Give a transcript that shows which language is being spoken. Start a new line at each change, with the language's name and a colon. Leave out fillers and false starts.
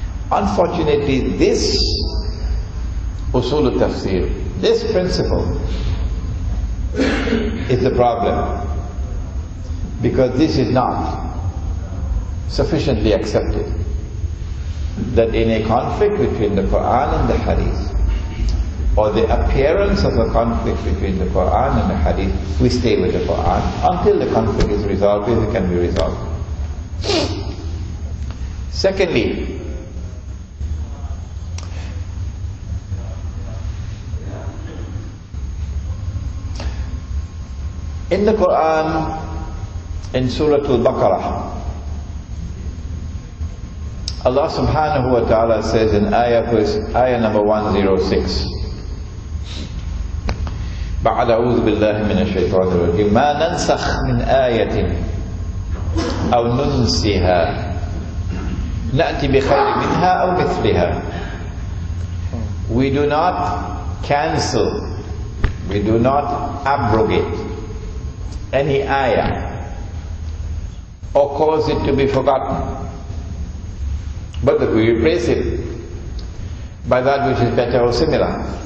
English: Unfortunately, this usul tafsir, this principle, is the problem, because this is not sufficiently accepted, that in a conflict between the Quran and the hadith, or the appearance of a conflict between the Quran and the hadith, we stay with the Quran until the conflict is resolved, if it can be resolved. Secondly, in the Quran, in Surah Al-Baqarah, Allah subhanahu wa ta'ala says in ayah number 106,
Arabic: بعد أعوذ بالله من الشيطان الرجيم ما ننسخ من آية أو ننسها نأتي بخير منها أو مثلها.
English: We do not cancel, we do not abrogate any ayah or cause it to be forgotten, but we replace it by that which is better or similar.